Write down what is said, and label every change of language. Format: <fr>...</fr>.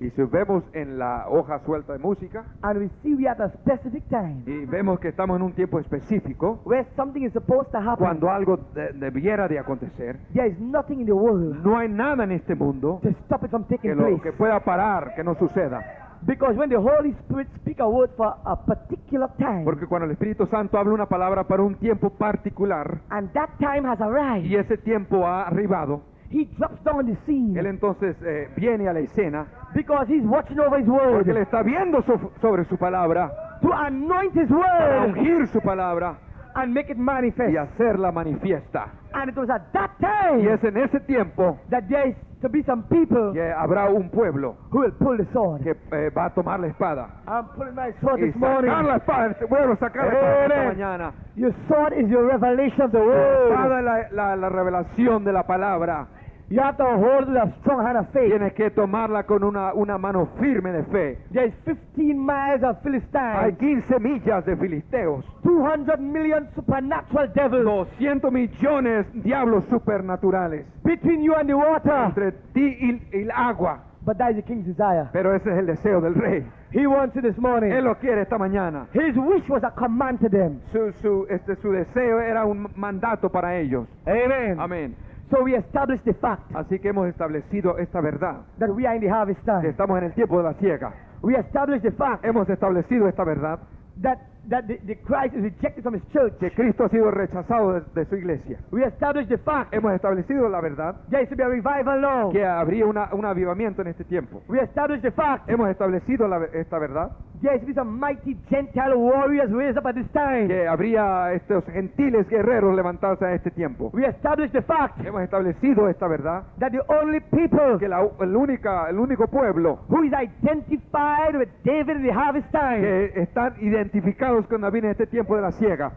<es>y si vemos en la hoja suelta de música,</es> <en>and we see we are at a specific time,</en> <es>y vemos que estamos en un tiempo específico,</es> <en>where something is supposed to happen,</en> <es>cuando algo debiera de acontecer,</es> <en>there is nothing in the world,</en> <es>no hay nada en este mundo,</es> <en>to stop it from taking</en> <es>que lo,</es> <en>place,</en> <es>que pueda parar, que no suceda.</es> <en>Because when the Holy Spirit speak a word for a particular time,</en> <es>porque cuando el Espíritu Santo habla una palabra para un tiempo particular,</es> <en>and that time has arrived,</en> <es>y ese tiempo ha arribado,</es> <en>he drops down on the scene.</en> <es>Él entonces viene a la escena.</es> <en>Because he's watching over his word.</en> <es>Porque él está viendo sobre su palabra.</es> <en>To anoint his word.</en> <es>Para ungir su palabra.</es> <en>And make it manifest.</en> <es>Y hacerla manifiesta.</es> <en>And it was at that time.</en> <es>Y es en ese tiempo.</es> <en>That there is to be some people.</en> <es>Que habrá un pueblo.</es> <en>Who will pull the sword.</en> <es>Que va a tomar la espada.</es> <en>I'm pulling my sword this morning.</en> <es>Y sacar la espada. Bueno, sacar la espada esta mañana.</es> <en>Your sword is your revelation of the word.</en> <es>Espada la revelación de la palabra.</es> <en>You have to hold with a strong hand of faith.</en> <es>Tienes que tomarla con una mano firme de fe.</es> <en>There is 15 miles of Philistines.</en> <es>Hay 15 millas de filisteos.</es> <en>200 million supernatural devils.</en> <es>200 millones diablos supernaturales.</es> <en>Between you and the water.</en> <es>Entre ti y el agua.</es> <en>But that is the king's desire.</en> <es>Pero ese es el deseo del rey.</es> <en>He wants it this morning.</en> <es>Él lo quiere esta mañana.</es> <en>His wish was a command to them.</en> <es>Su deseo era un mandato para ellos.</es> <en>Amen.</en> <es>Amen.</es> <en>So we established the fact.</en> <es>Así que hemos establecido esta verdad.</es> <en>That we are in the harvest time.</en> <es>Que estamos en el tiempo de la siega.</es> <en>We established the fact.</en> <es>Hemos establecido esta verdad.</es> <en>That the Christ is rejected from his church.</en> <es>Que Cristo ha sido rechazado de su iglesia.</es> <en>We established the fact.</en> <es>Hemos establecido la verdad.</es> <en>There should be a revival now.</en> <es>Que habría un avivamiento en este tiempo.</es> <en>We established the fact.</en> <es>Hemos establecido esta verdad.</es> <en>There should be some mighty Gentile warriors raised up at this time.</en> <es>Que habría estos gentiles guerreros levantarse a este tiempo.</es> <en>We established the fact.</en> <es>Hemos establecido esta verdad.</es> <en>That the only people.</en> <es>Que el único pueblo.</es> <en>Who is identified with David in the harvest time.</en> <es>Que están identificados con David en este tiempo de la siega.</es>